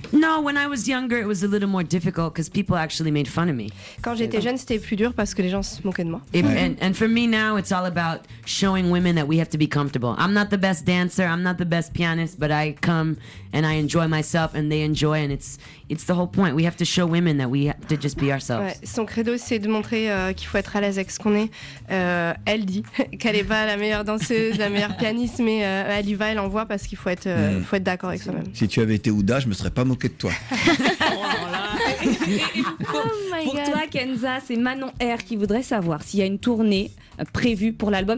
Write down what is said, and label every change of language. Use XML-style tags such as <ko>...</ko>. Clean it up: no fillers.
<en>No, when I was younger, it was a little more difficult because people actually made fun of me.</en> <fr>Quand j'étais jeune, c'était plus dur parce que les gens se moquaient de moi.</fr> <en>And for me now, it's all about showing women that we have to be comfortable. I'm not the best dancer, I'm not the best pianist, but I come and I enjoy myself and they enjoy and it's the whole point. We have to show women that we have to just be ourselves.</en> <fr>Ouais, son credo, c'est de montrer qu'il faut être à l'aise avec ce qu'on est. Elle dit qu'elle n'est pas la meilleure danseuse, la meilleure pianiste, mais elle y va, elle envoie parce qu'il faut être, faut être d'accord avec soi-même. Si tu avais été Ouda, je ne me serais pas moqué de toi. Toi, Kenza, c'est Manon R qui voudrait savoir s'il y a une tournée prévue pour l'album.</fr>